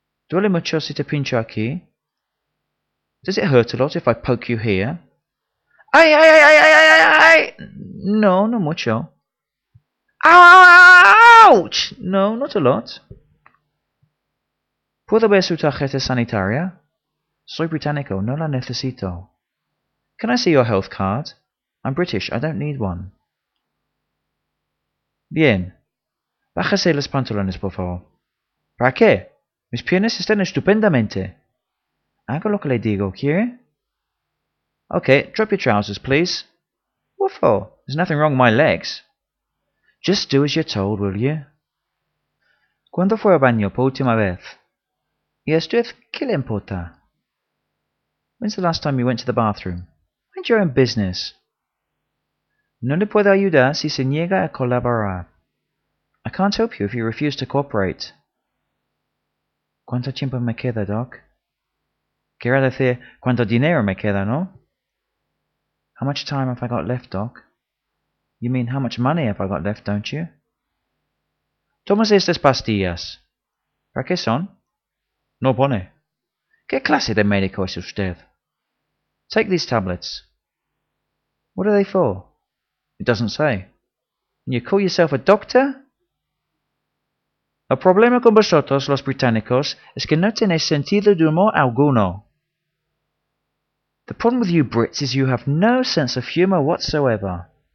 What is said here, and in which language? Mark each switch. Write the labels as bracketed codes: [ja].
[es] ¿Duele mucho si te pincho aquí? [en] Does it hurt a lot if I poke you here? [es] ¡Ay, ay, ay, ay, ay, ay, ay, ay! No, no mucho. [en] Ouch! No, not a lot. [es] ¿Puedo ver su tarjeta sanitaria? Soy británico, no la necesito. [en] Can I see your health card? I'm British, I don't need one. [es] Bien. Bájese los pantalones, por favor. ¿Para qué? Mis piernas están estupendamente. Haga lo que le digo, ¿quiere? [en] Okay, drop your trousers, please. What for? There's nothing wrong with my legs. Just do as you're told, will you? [es] ¿Cuándo fue al baño por última vez? ¿Y a usted qué le importa? [en] When's the last time you went to the bathroom? Mind your own business. [es] No le puedo ayudar si se niega a colaborar. [en] I can't help you if you refuse to cooperate. [es] ¿Cuánto tiempo me queda, Doc? Quiero decir, ¿cuánto dinero me queda, no? [en] How much time have I got left, Doc? You mean, how much money have I got left, don't you? [es] Tomas estas pastillas. ¿Para qué son? No pone. ¿Qué clase de médico es usted? [en] Take these tablets. What are they for? It doesn't say. And you call yourself a doctor? [es] El problema con vosotros, los británicos, es que no tenéis sentido de humor alguno. [en] The problem with you Brits is you have no sense of humor whatsoever.